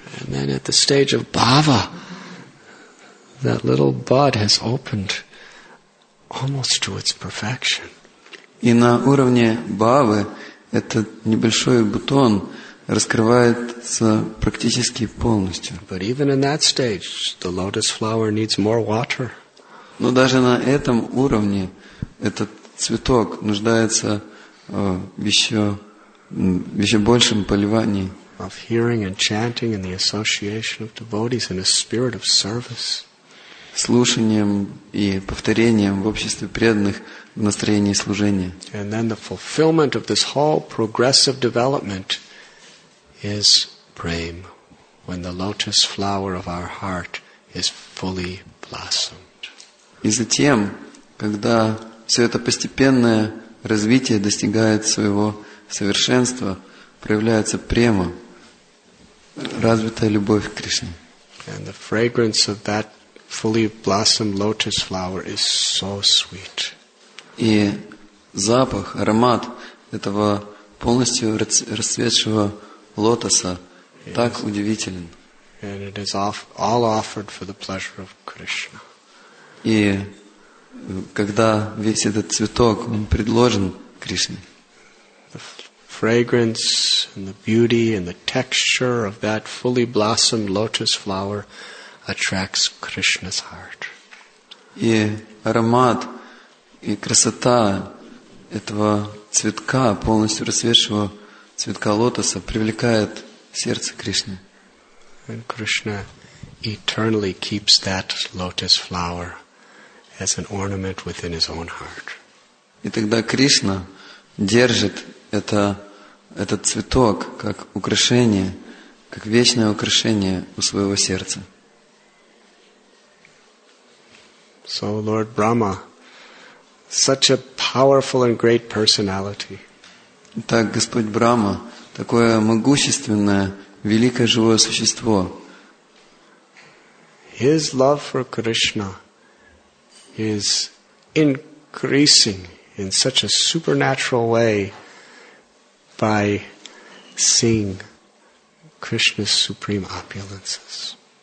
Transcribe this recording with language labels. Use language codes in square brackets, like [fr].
[en] And then at the stage of bhava, that little bud has opened almost to its perfection. [ru] И на уровне бхавы этот небольшой бутон раскрывается практически полностью. [en] But even in that stage, the lotus flower needs more water. [ru] Но даже на этом уровне этот цветок нуждается в еще большем поливании. [en] Of hearing and chanting in the association of devotees in a spirit of service. [ru] Слушанием и повторением в обществе преданных в настроении служения. [en] And then the fulfillment of this whole progressive development is prem, when the lotus flower of our heart is fully blossomed. [ru] И затем, когда все это постепенное развитие достигает своего совершенства, проявляется према, развитая любовь к Кришне. [en] And the fragrance of that fully blossomed lotus flower is so sweet. [ru] И запах, аромат этого полностью расцветшего лотоса так удивителен. [en] And it is all offered for the pleasure of Krishna. [ru] И когда весь этот цветок, он предложен Кришне. [en] The fragrance and the beauty and the texture of that fully blossomed lotus flower attracts Krishna's heart. [ru] И аромат и красота этого цветка, полностью расцветшего цветка лотоса, привлекает сердце Кришны. [en] And Krishna eternally keeps that lotus flower as an ornament within his own heart. [ru] И тогда Кришна держит этот цветок как украшение, как вечное украшение у своего сердца. [en] So Lord Brahma, such a powerful and great personality. [ru] Так, Господь Брахма, такое могущественное, великое живое существо. [en] His love for Krishna is increasing in such a supernatural way by seeing Krishna's supreme opulences.